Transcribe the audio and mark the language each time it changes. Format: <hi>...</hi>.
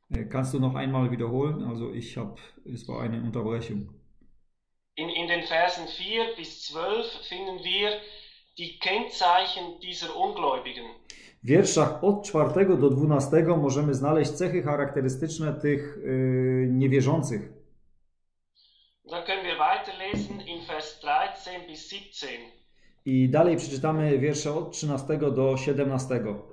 <de>Kannst du noch einmal wiederholen? Also ich habe, es war eine Unterbrechung. In den Versen 4 bis 12 finden wir die Kennzeichen dieser Ungläubigen.</de> <pl>W wierszach od 4 do 12 możemy znaleźć cechy charakterystyczne tych niewierzących.</pl> <de>Da können wir weiterlesen in Vers 13 bis 17.</de> <pl>I dalej przeczytamy wiersze od 13 do 17.</pl>